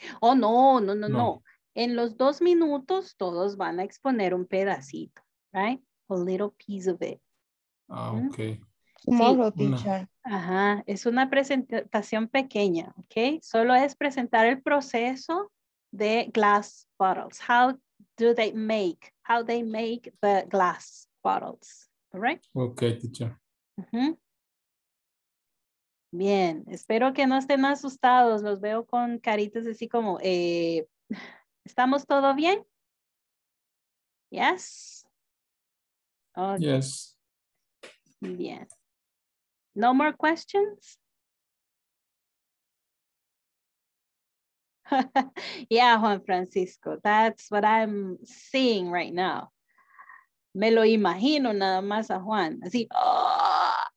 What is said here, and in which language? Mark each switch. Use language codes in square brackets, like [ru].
[es] Oh, no, no, no, no, no. En los 2 minutos, todos van a exponer un pedacito, right? [en] A little piece of it. [es] Ah, ok. [en] Small teacher. [es] Ajá, es una presentación pequeña, ok? Solo es presentar el proceso de glass bottles. [en] How do they make, how they make the glass bottles, all right? Ok, teacher. Uh-huh. [es] Bien, espero que no estén asustados. Los veo con caritas así como, ¿estamos todo bien? [en] Yes. Okay. Yes. [es] Bien. [en] No more questions? Yeah, Juan Francisco, that's what I'm seeing right now. [es] Me lo imagino nada más a Juan, así, oh.